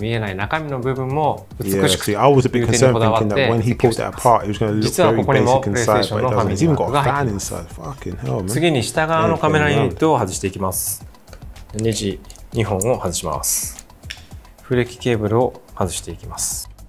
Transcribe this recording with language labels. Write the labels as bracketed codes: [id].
[ja] 内部はほぼ左右対称の作りとなっていまして、見える部分だけではなく、見えない中身の部分も美しく。 [en] See, I was a bit concerned with thinking that when he pulled that apart, it was going to look very basic inside, but it doesn't. It's even got a fan inside. Fucking hell, man. [ja] 次に下側のカメラユニットを外していきます。ネジ2本を外します。フレキケーブルを外していきます。